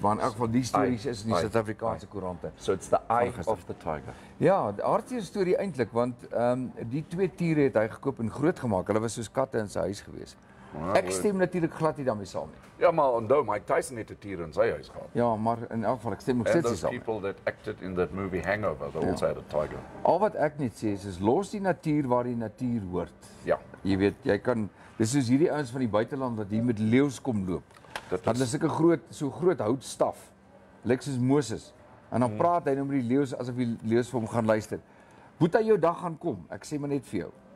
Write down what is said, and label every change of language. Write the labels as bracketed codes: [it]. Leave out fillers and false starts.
[af] Maar in elk geval die stories is in die Suid-Afrikaanse koerante. [en] So it's the eye of the tiger. [af] Ja, die aardige storie eintlik, want die twee tiere het hy gekoop en groot gemaak. Hulle was soos katte in sy huis gewees. Ja, ek stem natuurlik glad nie daarmee saam nie. Ja, maar onthou, Mike Tyson het 'n tier in sy huis gehad. Ja, maar in elk geval, ek stem ook steeds saam. [en] And those people that acted in that movie Hangover, they also had a tiger. [af] Al wat ek net sê is, los die natuur waar die natuur hoort. Ja. Jy weet, jy kan, dis soos hierdie ouens van die buiteland wat hier met leeuws kom loop. Dat is ek 'n groot, so groot houtstaf. Lyk soos Moses. En dan praat hy nou met die leeuws asof die leeuws vir hom gaan luister. Boet hy jou dag gaan kom, ek sê maar net vir jou.